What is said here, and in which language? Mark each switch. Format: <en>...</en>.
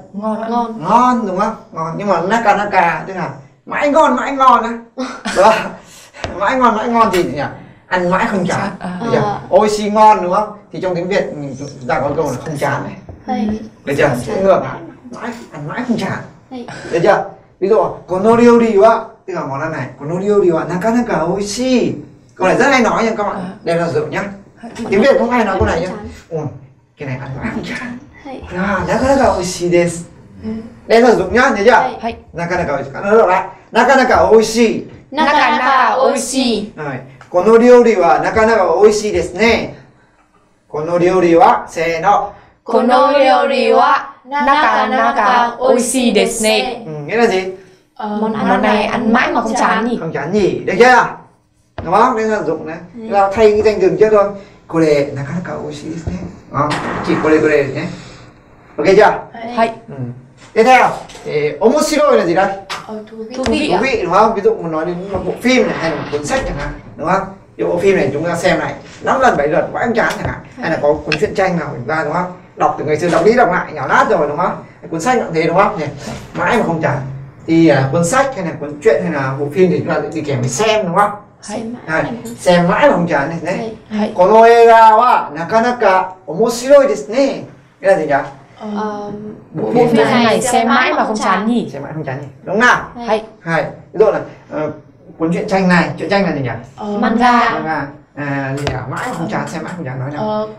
<vi>Ngon. Ngon đúng không? Ngon. Nhưng mà Nakanaka tức là mãi ngon, mãi ngon á. Mãi ngon, mãi ngon thì nhỉ? Ăn mãi không chán. Oishi ngon đúng không? Thì trong tiếng Việt chúng ta có câu là không chán này. Được chưa? Sẽ ngược hả? Ăn mãi không chán. Được chưa? Ví dụ,</vi> <ja>この料理は,</ja> <vi>tức là món ăn này,</vi> <ja>この料理はなかなか美味しい.</ja> <vi>Câu này rất hay nói nha các bạn. Đây là rượu nhá. Tiếng Việt không hay nói câu này nhá. Ồ, cái này ăn mãi không chán.</vi> <ja>À, なかなか美味しいです.</ja> <vi>Đây là rượu nhá, được chưa?</vi> <ja>なかなか美味しい.</ja> <vi>Nó được lại.</vi> <ja>なかなか美味しい. なかなか美味しい. この料理はなかなか美味しいですね. この料理は、せーの。この料理はなかなか美味しいですね。</ja> <vi>nghĩa là gì? Món này ăn mãi mà không chán nhỉ? Không chán nhỉ? Được chưa? Đúng không? Nên là dùng này. Chúng ta thay cái danh từ trước thôi.</vi> <ja>これなかなか美味しいですね.</ja> <vi>Chỉ</vi> <ja>これぐらいですね.</ja> <vi>OK chưa?</vi> <ja>はい.</ja> <vi>Tiếp theo,</vi> <ja>面白いな</ja> <vi>gì đây? Thú vị. Thú vị đúng không? Ví dụ mình nói đến một bộ phim này hay là một cuốn sách chẳng hạn, đúng không? Ví dụ bộ phim này chúng ta xem này 5 lần 7 lần quá em chán chẳng hạn. Hay là có cuốn truyện tranh nào của chúng ta đúng không? Đọc từ ngày xưa đọc đi đọc lại nhỏ nát rồi đúng không? Cuốn sách cũng thế đúng không? Nhỉ? Mãi mà không chán. Thì cuốn sách hay là cuốn truyện hay là bộ phim thì chúng ta sẽ đi kèm để xem đúng không? Xem mãi mà không chán đấy.</vi> <ja>この映画はなかなか面白いですね.</ja> <vi>Nghĩa là gì nhỉ? Bộ phim này xem mãi mà không chán nhỉ? Xem mãi không chán nhỉ? Đúng không? Hay. Ví dụ là... cuốn truyện tranh này, truyện tranh là gì nhỉ?</vi> <ja>Manga.</ja> <vi>Manga. À, gì nhỉ? Mãi không chán, xem mãi không chán nói nào.</vi>